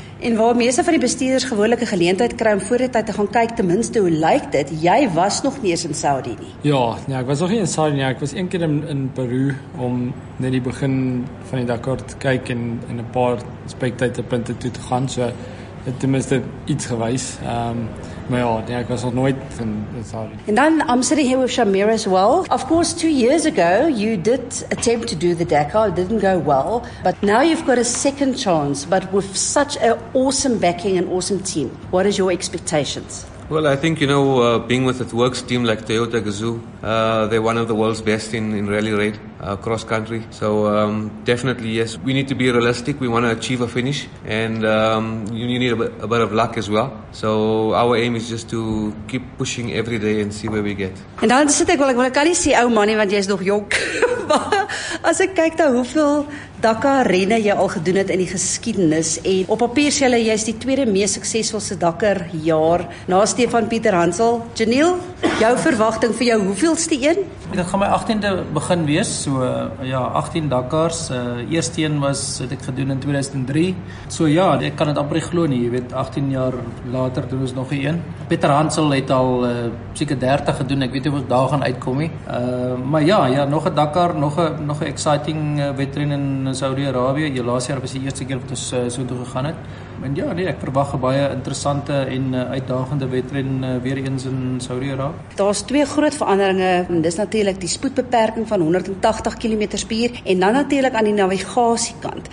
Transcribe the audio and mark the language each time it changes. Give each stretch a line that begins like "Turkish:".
Afrikaans: En waar meeste van die bestuurders gewoonlik 'n geleentheid kry om voor die tyd te gaan kyk, ten minste hoe lyk dit? Jy was nog nie eens in Saudi nie. Ja, nee, ek was nog nie in Saudi nie. Ek was een keer in Peru om net die begin van die Dakar te kyk en in 'n paar spektatorpunte toe te gaan. So, het ten minste iets gewys. Ek was nog nooit in Saudi.
English: And then I'm sitting here with Shamir as well. Of course, 2 years ago, you did attempt to do the Dakar. It didn't go well. But now you've got a second chance, but with such an awesome backing and awesome team. What is your expectations? Well, I think, being with a works team like Toyota Gazoo, they're one of the world's best in rally raid cross country. So definitely, yes, we need to be realistic. We want to achieve a finish, and you need a bit of luck as well. So our aim is just to keep pushing every day and see where we get.
Afrikaans: And dan sit ek, wel, ek kan nie sê ou manie, want jy is nog jonk. As ek kyk na hoeveel Dakar renne jy al gedoen het in die geskiedenis, en op papier sê hulle jy is die tweede mees suksesvolle Dakar jaar na Stefan Pieter Hansel. Janelle, jou verwagting vir jou, hoeveelste een? Dit gaan my 18de begin wees, so ja, 18 Dakars. Eerste een was het ek gedoen in 2003. So ja, ek kan dit amper glo nie, jy weet 18 jaar later doen ons nog 'n een. Pieter Hansel het al seker 30 gedoen. Ek weet nie of ons daar gaan uitkom nie. Maar nog 'n Dakar, nog 'n exciting wedren in Saudi-Arabië. Jy laas jaar was die eerste keer wat ons so toe gegaan het. En ja, nee, ek verwag 'n baie interessante en uitdagende wedren weer eens in Saudi-Arabië. Daar's twee groot veranderinge, en dis natuurlik die spoedbeperking van 180 km/h en dan natuurlik aan die navigasiekant.